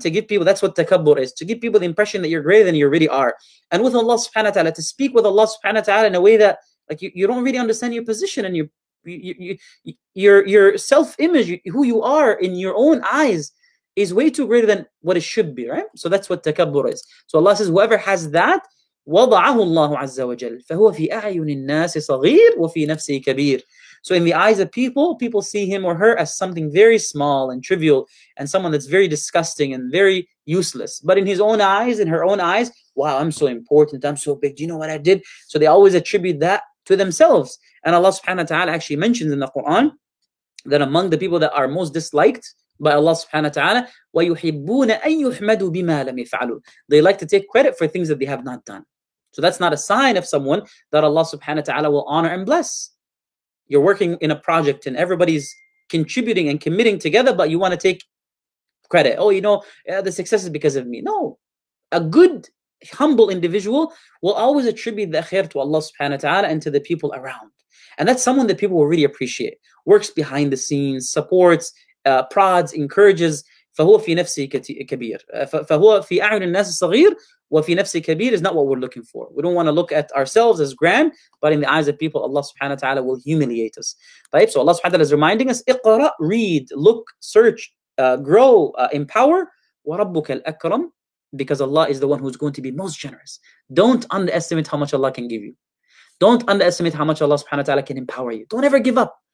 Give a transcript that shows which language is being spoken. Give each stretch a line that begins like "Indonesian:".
English: To give people, that's what takabbur is, to give people the impression that you're greater than you really are. And with Allah subhanahu wa ta'ala, to speak with Allah subhanahu wa ta'ala in a way that, like, you don't really understand your position and your self-image, who you are in your own eyes, is way too greater than what it should be, right? So that's what takabbur is. So Allah says, whoever has that,
Arabic: وَضَعَهُ اللَّهُ عَزَّ وَجَلَّ فَهُوَ فِي أَعْيُنِ النَّاسِ صَغِيرٌ وَفِي نَفْسِهِ كَبِيرٌ.
English: So in the eyes of people see him or her as something very small and trivial and someone that's very disgusting and very useless. But in his own eyes, in her own eyes, wow, I'm so important, I'm so big, do you know what I did? So they always attribute that to themselves. And Allah subhanahu wa ta'ala actually mentions in the Quran that among the people that are most disliked by Allah subhanahu wa ta'ala,
Arabic: وَيُحِبُّونَ أَن يُحْمَدُوا بِمَا لَمْ يَفْعَلُوا.
English: They like to take credit for things that they have not done. So that's not a sign of someone that Allah subhanahu wa ta'ala will honor and bless. You're working in a project and everybody's contributing and committing together, but you want to take credit. Oh, you know, yeah, the success is because of me. No. A good, humble individual will always attribute the khair to Allah subhanahu wa ta'ala and to the people around. And that's someone that people will really appreciate. Works behind the scenes, supports, prods, encourages.
Arabic: فَهُوَ فِي نَفْسِهِ كَبِيرٌ فَهُوَ فِي أَعْيُنِ النَّاسِ صَغِيرٌ وَفِي نَفْسِهِ كَبِيرٌ
English: is not what we're looking for. We don't want to look at ourselves as grand, but in the eyes of people, Allah subhanahu wa ta'ala will humiliate us. طيب, so Allah subhanahu wa ta'ala is reminding us, اقرأ, read, look, search, grow, empower.
Arabic: وَرَبُّكَ الْأَكْرَمُ,
English: because Allah is the one who's going to be most generous. Don't underestimate how much Allah can give you. Don't underestimate how much Allah subhanahu wa ta'ala can empower you. Don't ever give up.